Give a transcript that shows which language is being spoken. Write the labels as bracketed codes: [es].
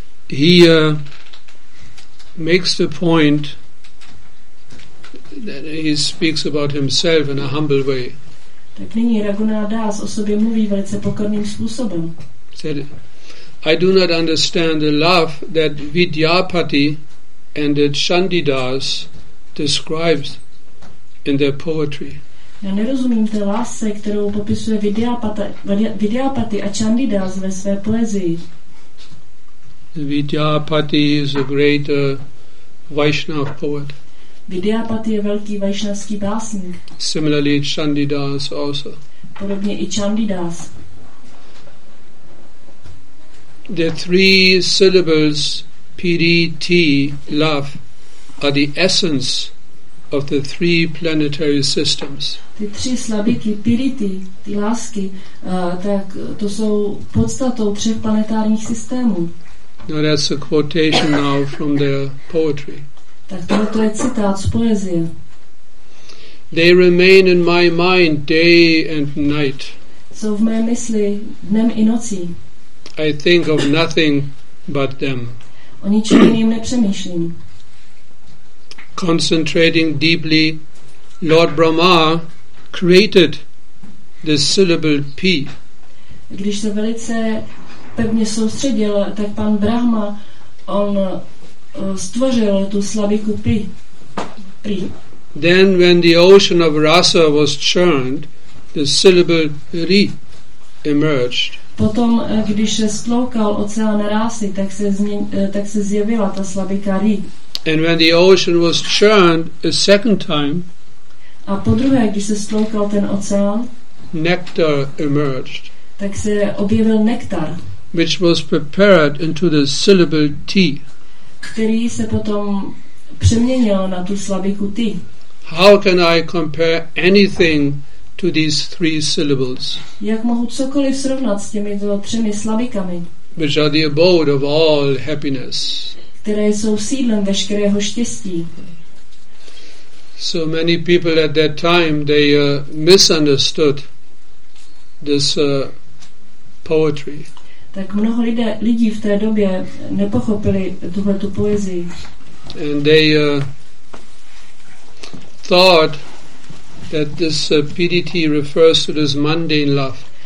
[en] He makes the point that he speaks about himself in a humble way. [cs] Tak nyní Raghunath Das o sobě mluví velice pokorným způsobem. [en] Said, I do not understand the love that Vidyapati and the Chandidas describes in their poetry. [cs] Já nerozumím té lásce, kterou popisuje Vidyapati a Chandidas ve své poezii. [en] Vidyapati is a great Vaishnav poet. [cs] Vidyapati je velký vaishnavský básník. [en] Similarly Chandidas also. [cs] Podobně i Chandidas. [en] The three syllables PDT love are the essence of the three planetary systems. [cs] Ty tři slabiky PDT, ty lásky, tak to jsou podstatou třech planetárních systémů. [en] Now that's a quotation now from their poetry. [cs] Tak toto je citát z poezie. [en] They remain in my mind day and night. [cs] Jsou v mé mysli dnem i nocí. [en] I think of nothing but them. [cs] O ničem jiným nepřemýšlím. [en] Concentrating deeply, Lord Brahma created the syllable P. [cs] Když se velice pevně soustředil, tak pan Brahma, on stvořil tu slabiku pri. [en] Then when the ocean of rasa was churned, the syllable ri emerged. [cs] Potom, když se stloukal oceán rásy, tak se zjevila ta slabika ri. [en] And when the ocean was churned a second time, [cs] a podruhé, když se stloukal ten oceán, [en] nectar emerged. [cs] Tak se objevil nektar, [en] which was prepared into the syllable ti. [cs] Který se potom přeměnil na tu slabiku ty. [en] How can I compare anything to these three syllables? [cs] Jak mohu cokoliv srovnat s těmi třemi slabikami? [en] Which are the abode of all happiness. [cs] Které jsou sídlem veškerého štěstí. [en] So many people at that time they misunderstood this poetry. [cs] Tak mnoho lidí v té době nepochopili tuhletu poezii. [en] And they thought that this PDT refers to this mundane love.